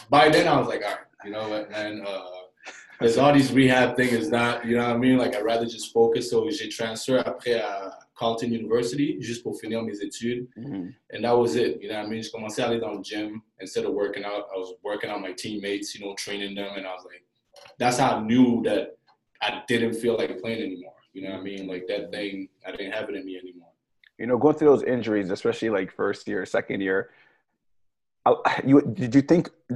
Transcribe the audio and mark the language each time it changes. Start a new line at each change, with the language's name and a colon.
English: By then, I was like, all right, you know what, man, because all these rehab things is not, you know what I mean? Like, I'd rather just focus.
French: So, j'ai transféré après à Carleton University, juste pour finir mes études.
English: Mm-hmm. And that was it. You know what I mean?
French: Je commençais à aller dans le gym.
English: Instead of working out, I was working on my teammates, you know, training them. And I was like, that's how I knew that I didn't feel like playing anymore. You know what I mean? Like, that thing, I didn't have it in me anymore. You know, going through those injuries, especially like first year, second year, did you think...